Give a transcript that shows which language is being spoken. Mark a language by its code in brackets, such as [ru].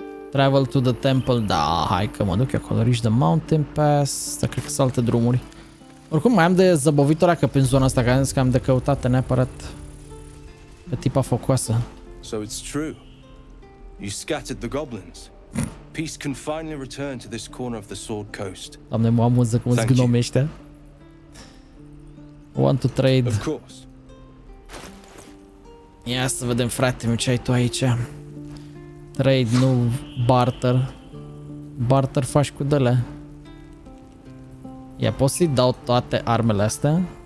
[en] Travel to the temple. [ro] Da, hai că mă duc acolo. [en] Reach the mountain pass. [ro] Da, cred că sunt alte drumuri. Oricum mai am de zăbovit oracă prin zona asta. Că am zis că am de căutat neapărat pe tipa focoasă. [en] So it's true. You scattered the goblins. Peace can finally return to this corner of the Sword Coast. [ro] Doamne, mă amuză cum zic nume ăștia. [en] Want to trade. Of course. [ro] Ia să vedem, frate, ce ai tu aici. Trade, nu barter. Barter faci cu dele. Ia, pot să-i dau toate armele astea?